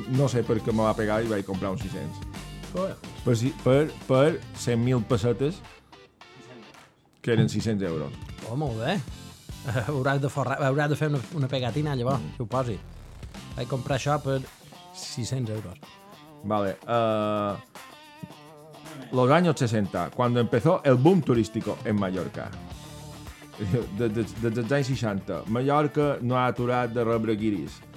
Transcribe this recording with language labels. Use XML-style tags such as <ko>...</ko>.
<ca>No sé per què me va pegar i vaig comprar un 600.</ca> <es>Joder.</es> <ca>Per 100.000 pessetes, que eren 600 euros. Oh, molt bé. Hauràs de fer una pegatina, llavors, si ho posi. Vaig comprar això per 600 euros. Vale.</ca> <es>Los años 60, cuando empezó el boom turístico en Mallorca...</es> <ca>Des dels anys 60, Mallorca no ha aturat de rebre guiris.</ca>